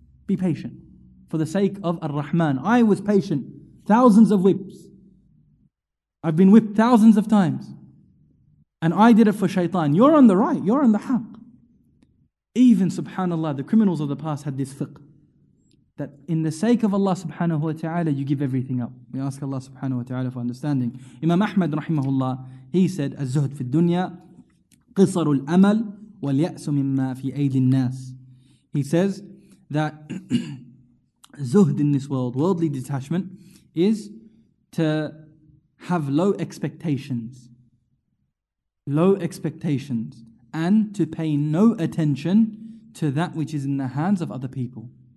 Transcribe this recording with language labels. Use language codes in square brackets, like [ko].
[en] Be patient for the sake of Ar-Rahman. I was patient. Thousands of whips. I've been whipped thousands of times. And I did it for shaitan. You're on the right. You're on the haq. Even subhanAllah, the criminals of the past had this fiqh. That in the sake of Allah subhanahu wa ta'ala, you give everything up. We ask Allah subhanahu wa ta'ala for understanding. [ar] Imam Ahmad rahimahullah, [en] he said, [ar] Az-zuhd fi dunya, قصر الأمل واليأس مما في أيدي الناس. [en] He says that zuhd in this world, worldly detachment, is to have low expectations. Low expectations. And to pay no attention to that which is in the hands of other people.